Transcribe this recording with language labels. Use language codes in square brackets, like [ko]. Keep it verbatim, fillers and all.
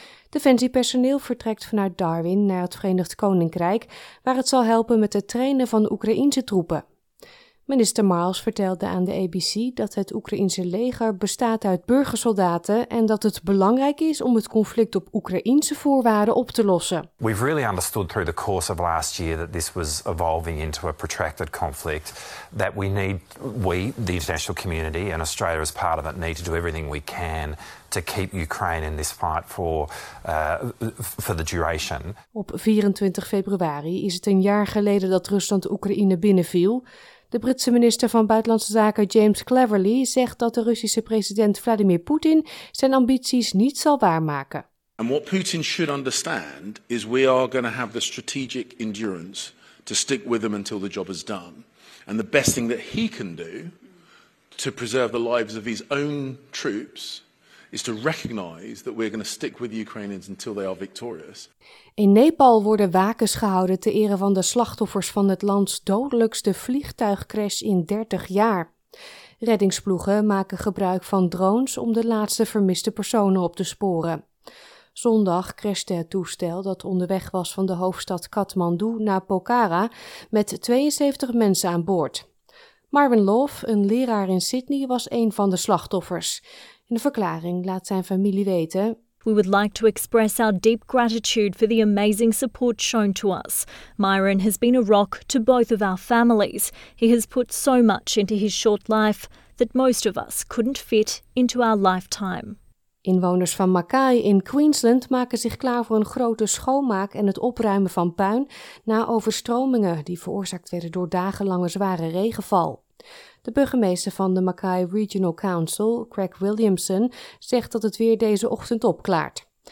[nl] Defensiepersoneel vertrekt vanuit Darwin naar het Verenigd Koninkrijk, waar het zal helpen met het trainen van Oekraïense troepen. Minister Miles vertelde aan de A B C dat het Oekraïense leger bestaat uit burgersoldaten en dat het belangrijk is om het conflict op Oekraïense voorwaarden op te lossen. [en] We've really understood through the course of last year that this was evolving into a protracted conflict that we need we the international community and Australia as part of it need to do everything we can to keep Ukraine in this fight for uh, for the duration. [nl] Op vierentwintig februari is het een jaar geleden dat Rusland Oekraïne binnenviel. De Britse minister van Buitenlandse Zaken James Cleverly zegt dat de Russische president Vladimir Poetin zijn ambities niet zal waarmaken. [en] And what Putin should understand is we are going to have the strategic endurance to stick with him until the job is done. And the best thing that he can do to preserve the lives of his own troops is to recognize that we're going to stick with the Ukrainians until they are victorious. [nl] In Nepal worden wakens gehouden ter ere van de slachtoffers van het lands dodelijkste vliegtuigcrash in dertig jaar. Reddingsploegen maken gebruik van drones om de laatste vermiste personen op te sporen. Zondag crashte het toestel dat onderweg was van de hoofdstad Kathmandu naar Pokhara met tweeënzeventig mensen aan boord. Marvin Love, een leraar in Sydney, was een van de slachtoffers. In de verklaring laat zijn familie weten: [en] We would like to express our deep gratitude for the amazing support shown to us. Myron has been a rock to both of our families. He has put so much into his short life that most of us couldn't fit into our lifetime. [nl] Inwoners van Mackay in Queensland maken zich klaar voor een grote schoonmaak en het opruimen van puin na overstromingen die veroorzaakt werden door dagenlange zware regenval. De burgemeester van de Mackay Regional Council, Craig Williamson, zegt dat het weer deze ochtend opklaart.